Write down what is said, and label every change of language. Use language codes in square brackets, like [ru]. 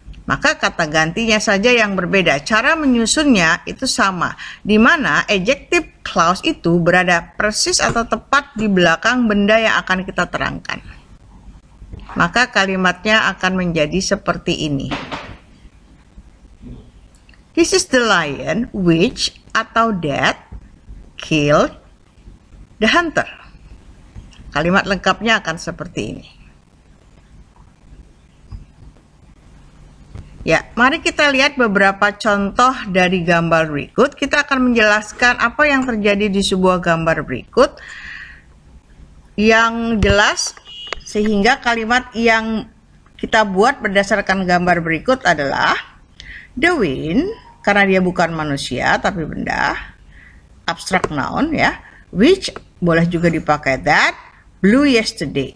[id] Maka kata gantinya saja yang berbeda. Cara menyusunnya itu sama, di mana adjective clause itu berada persis atau tepat di belakang benda yang akan kita terangkan. Maka kalimatnya akan menjadi seperti ini. [en] This is the lion which [id] atau [en] that killed the hunter. [id] Kalimat lengkapnya akan seperti ini. Ya, mari kita lihat beberapa contoh dari gambar berikut. Kita akan menjelaskan apa yang terjadi di sebuah gambar berikut yang jelas, sehingga kalimat yang kita buat berdasarkan gambar berikut adalah [en] the wind, [id] karena dia bukan manusia tapi benda, abstract noun ya, which boleh juga dipakai that, [en] blew yesterday.